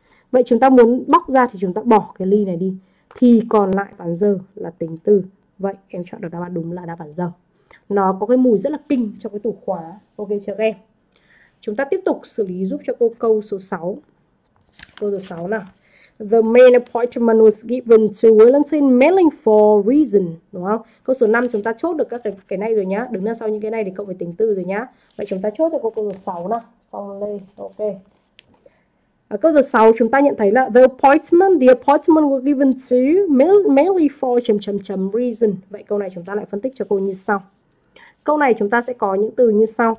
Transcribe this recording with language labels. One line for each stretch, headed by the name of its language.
Vietnamese: Vậy chúng ta muốn bóc ra thì chúng ta bỏ cái ly này đi thì còn lại đáp án giờ là tính từ. Vậy em chọn được đáp án đúng là đáp án giờ. Nó có cái mùi rất là kinh trong cái tủ khóa. Ok chưa các em? Chúng ta tiếp tục xử lý giúp cho cô câu số 6. Câu số 6 nào.
English: The main appointment was given to Wellington mainly for reason.
Vietnamese: Đúng không? Câu số 5 chúng ta chốt được các cái này rồi nhá. Đứng đằng sau những cái này thì cộng với tính từ rồi nhá. Vậy chúng ta chốt cho cô câu số 6 nào. Phong Lê, ok. Ở câu số 6 chúng ta nhận thấy là
English: the appointment was given to mainly for
Vietnamese: chấm chấm chấm reason. Vậy câu này chúng ta lại phân tích cho cô như sau. Câu này chúng ta sẽ có những từ như sau.